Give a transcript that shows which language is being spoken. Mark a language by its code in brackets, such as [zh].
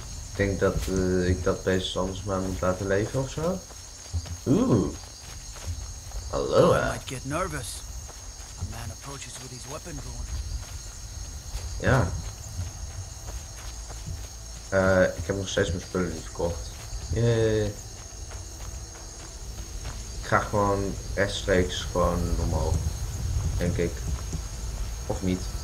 [nl] Ik denk dat ik dat beest anders maar moet laten leven of zo. Oeh. Hallo. [en] I get nervous. A man approaches with his weapon drawn. [nl] Ja. Ik heb nog steeds mijn spullen niet verkocht. Ik ga gewoon rechtstreeks gewoon omhoog. Denk ik. Of niet.